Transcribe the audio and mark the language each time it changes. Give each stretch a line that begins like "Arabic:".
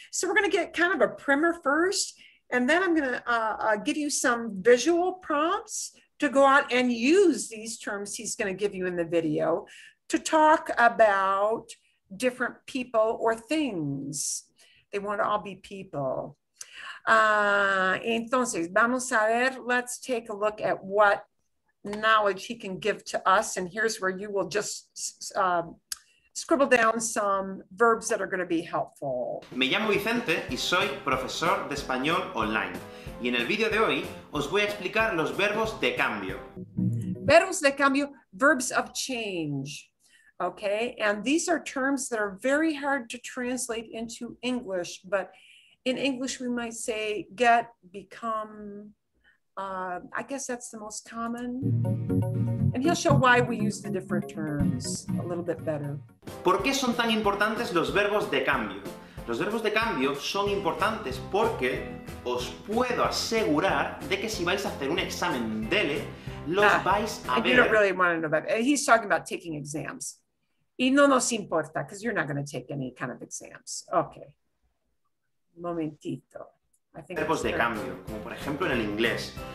English: So we're going to get kind of a primer first, and then I'm going to give you some visual prompts to go out and use these terms he's going to give you in the video to talk about different people or things. They want to all be people.
Spanish: Entonces, vamos a ver,
English: let's take a look at what knowledge he can give to us. And here's where you will just scribble down some verbs that are going to be helpful.
Spanish: Me llamo Vicente y soy profesor de español online. Y en el video de hoy os voy a explicar los verbos de cambio. Verbos de cambio,
English: verbs of change. Okay, and these are terms that are very hard to translate into English, but in English we might say get, become, I guess that's the most common. And he'll show why we use the different terms a little bit better.
Spanish: ¿Por qué son tan importantes los verbos de cambio? Los verbos de cambio son importantes porque os puedo asegurar de que si vais a hacer un examen DELE, los vais a ver.
English: You don't really want to know about it. He's talking about taking exams.
Spanish: Y no nos importa,
English: because you're not going to take any kind of exams.
Spanish: Okay. Momentito. Verbos de cambio, como por ejemplo en el inglés.